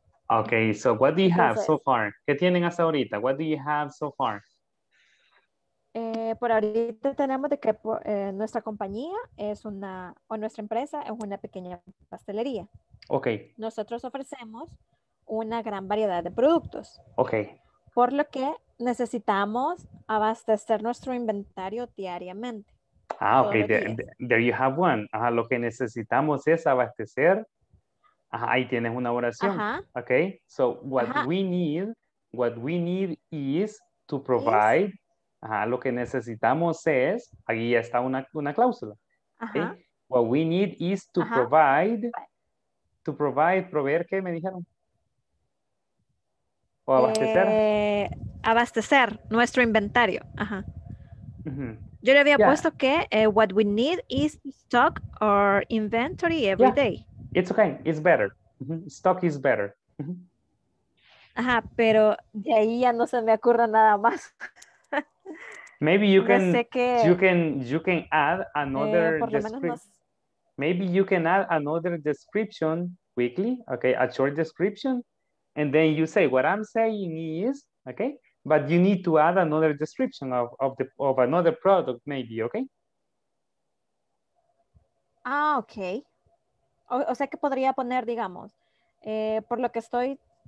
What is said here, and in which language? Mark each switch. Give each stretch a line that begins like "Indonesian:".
English: Okay, so what do you have so far?
Spanish: ¿Qué tienen hasta ahorita?
English: What do you have so far?
Spanish: Por ahorita tenemos de que nuestra compañía es una, o nuestra empresa es una pequeña pastelería.
English: Okay.
Spanish: Nosotros ofrecemos una gran variedad de productos.
English: Okay.
Spanish: Por lo que necesitamos abastecer nuestro inventario diariamente.
English: Okay, there you have one.
Spanish: Lo que necesitamos es abastecer. Ahí tienes una oración.
English: Okay, so what we need is to provide.
Spanish: Lo que necesitamos es, ahí ya está una cláusula.
English: Okay? What we need is to provide to provide,
Spanish: proveer, ¿qué me dijeron? O abastecer. Abastecer nuestro inventario. Ajá. Yo le había puesto que
English: what we need is stock or inventory every day. It's okay. It's better. Stock is better.
Spanish: Ajá, pero de ahí ya no se me ocurre nada más.
English: Maybe you can you can add another maybe you can add another description weekly, okay, a short description, and then you say what I'm saying is, okay, but you need to add another description of another product, maybe, okay? Ah, okay.
Spanish: O sea que podría poner, digamos, por lo que estoy.